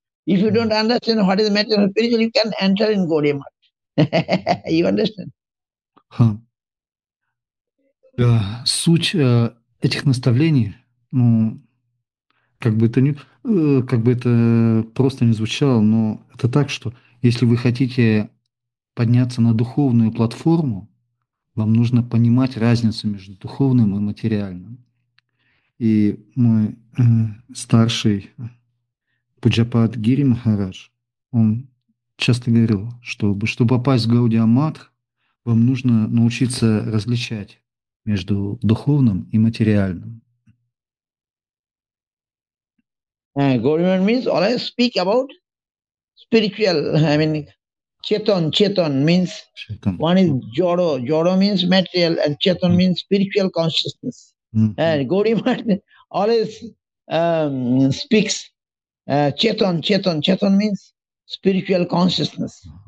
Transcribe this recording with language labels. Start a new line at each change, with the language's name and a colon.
English: If you don't understand what is material and spiritual, you can enter in Gaudiya Math. You understand?
Russian: Суть этих наставлений, ну, как бы это просто не звучало, но это так, что если вы хотите подняться на духовную платформу, вам нужно понимать разницу между духовным и материальным. И мой старший Пуджапад Гири Махарадж, он часто говорил, чтобы попасть в Гаудия Матх, вам нужно научиться различать между духовным и материальным.
English: Gaudiya means always speak about spiritual. I mean, chetan means Шикан. one is jodo. Jodo means material, and chetan means spiritual consciousness. Gaudiya always speaks chetan means spiritual consciousness.